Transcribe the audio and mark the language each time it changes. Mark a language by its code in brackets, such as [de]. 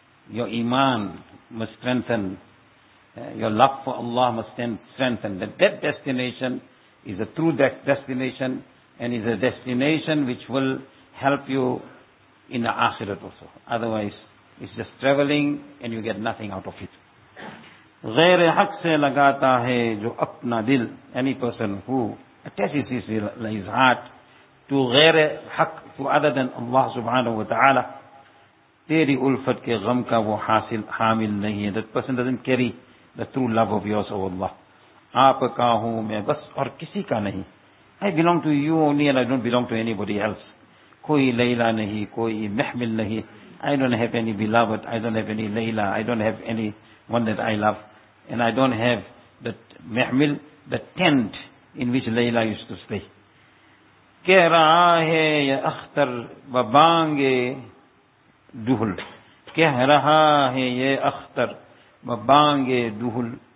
[en] Your iman must strengthen. Your love for Allah must strengthen. That destination is a true destination, and is a destination which will help you in the akhirat also. Otherwise, it's just traveling and you get nothing out of it. [ur] غیر حق سے لگاتا ہے جو اپنا دل. [en] Any person who attaches his heart to غیر حق, to other than Allah subhanahu wa ta'ala, [ur] تیری الفت کے غم کا وہ حاصل حامل نہیں ہے. [en] That person doesn't carry the true love of yours, oh Allah. [ur] آپ کا ہوں میں بس اور کسی کا نہیں. [en] I belong to you only and I don't belong to anybody else. [ur] کوئی لیلہ نہیں، کوئی محمل نہیں. [en] I don't have any beloved, I don't have any لیلہ, I don't have any one that I love. And I don't have that محمل, the tent in which لیلہ used to stay. [ur] کہہ رہا ہے یا اختر ببانگے دوہل، کہہ رہا ہے یہ اختر بانگے دوہل.